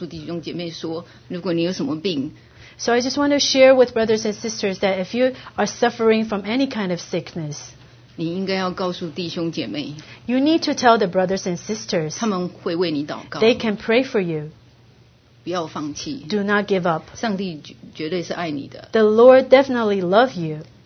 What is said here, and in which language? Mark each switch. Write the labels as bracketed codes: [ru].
[zh] 所以我现在就是要告诉弟兄姐妹说，如果你有什么病。 [en] So I just want to share with brothers and sisters that if you are suffering from any kind of sickness, [zh] 你应该要告诉弟兄姐妹。 [en] You need to tell the brothers and sisters. [zh] 他们会为你祷告。 [en] They can pray for you. [zh] 不要放弃。 [en] Do not give up. [zh] 上帝绝对是爱你的。 [en] The Lord definitely loves you.